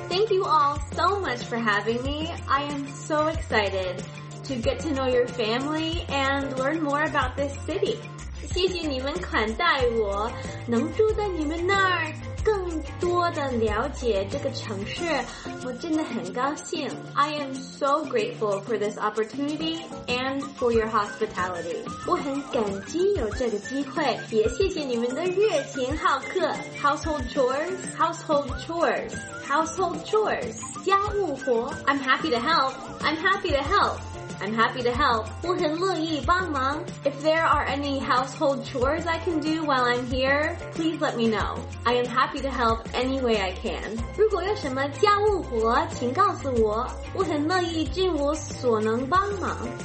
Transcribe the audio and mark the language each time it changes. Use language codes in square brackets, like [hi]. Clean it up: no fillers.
[en] Thank you all so much for having me. I am so excited to get to know your family and learn more about this city. [zh] 谢谢你们款待我，能住在你们那儿，更多的了解这个城市，我真的很高兴。 [en] I am so grateful for this opportunity and for your hospitality. [zh] 我很感激有这个机会，也谢谢你们的热情好客。 [en] Household chores, household chores, household chores, 家务活。 I'm happy to help, I'm happy to help. I'm happy to help. [zh] 我很乐意帮忙。 [en] If there are any household chores I can do while I'm here, please let me know. I am happy to help any way I can. [zh] 如果有什么家务活，请告诉我。我很乐意尽我所能帮忙。